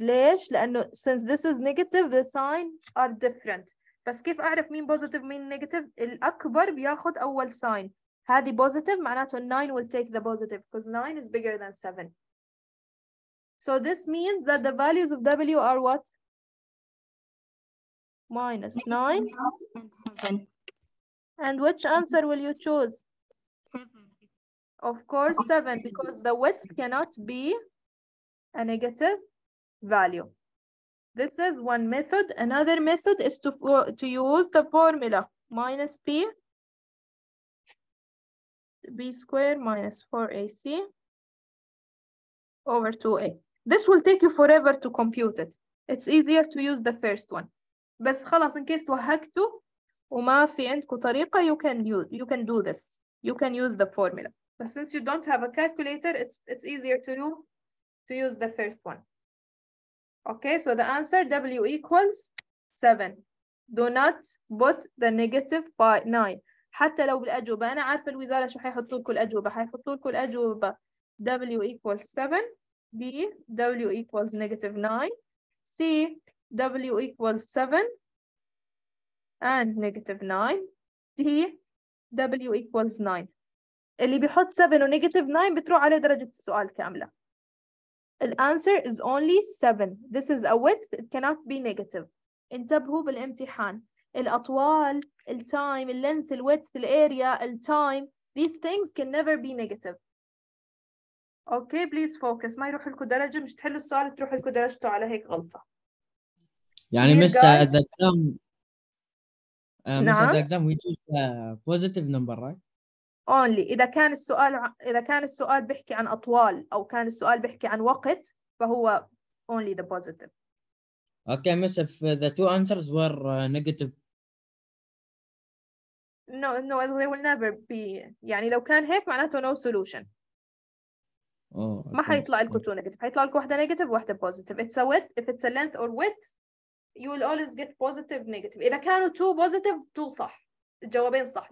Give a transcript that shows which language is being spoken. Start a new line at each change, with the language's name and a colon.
Arabic: ليش؟ لأنه
English: since this is negative, the signs are different.
Arabic: بس كيف أعرف مين positive مين negative؟ الأكبر بياخد أول sign. هذه
English: positive
Arabic: معناته
English: 9 will take the positive because 9 is bigger than 7. So this means that the values of W are what? Minus 9 and 7. And which answer will you choose? 7. Of course, 7, because the width cannot be a negative value. This is one method. Another method is to use the formula minus p, b squared minus 4ac over 2a. This will take you forever to compute it. It's easier to use the first one.
Arabic: بس خلاص
English: in case
Arabic: توهكتوا وما في عندكوا طريقة,
English: you can do this. You can use the formula. But since you don't have a calculator, it's easier to know to use the first one. Okay, so the answer W equals 7. Do not put the negative by 9.
Arabic: حتى لو بالأجوبة أنا عارف الوزارة شو حيحطوا لكم الأجوبة, حيحطوا لكم الأجوبة
English: W equals 7, B W equals negative 9, C W equals 7 and negative 9, D W equals 9.
Arabic: اللي بيحط 7 ونegative 9 بتروح على درجة السؤال كاملة.
English: The answer is only 7. This is a width. It cannot be negative.
Arabic: انتبهوا بالامتحان.
English: الأطوال, التايم, اللينث, الويث, الأريا, التايم, these things can never be negative. Okay, please focus.
Arabic: ما يروح لكم درجة, مش تحلوا السؤال تروح لكم درجته على هيك غلطة. يعني مش
English: at the exam.
Arabic: مش
English: at the exam we choose a positive number, right?
Arabic: Only إذا كان السؤال, إذا كان السؤال بيحكي عن أطوال أو كان السؤال بيحكي عن وقت فهو
English: only the positive. Okay, miss, if the two answers were negative. No, they will never be.
Arabic: يعني لو كان هيك معناته
English: no solution. Oh,
Arabic: ما حيطلع لكم two negative. حيطلع لكم واحدة negative واحدة positive.
English: It's a width. If it's a length or width, you will always get positive, negative.
Arabic: إذا كانوا
English: two positive, two
Arabic: صح. الجوابين صح.